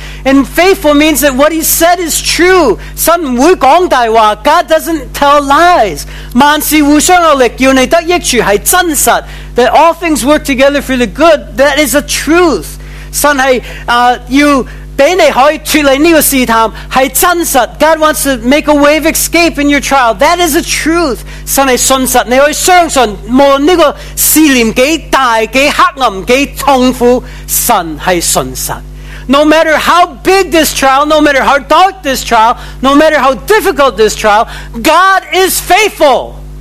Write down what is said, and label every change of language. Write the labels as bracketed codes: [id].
[en] And faithful means that what he said is true. [zh] 神不会讲大话。 [en] God doesn't tell lies. [zh] 万事互相有力，叫你得益处是真实。 [en] That all things work together for the good, that is a truth. [zh] 神是要给你可以脱离这个试探，是真实。 [en] God wants to make a way of escape in your trial. That is the truth. [zh] 神是信实，你可以相信无论这个试炼多大多黑暗多痛苦，神是信实。 [en] No matter how big this trial, no matter how dark this trial, no matter how difficult this trial, God is faithful.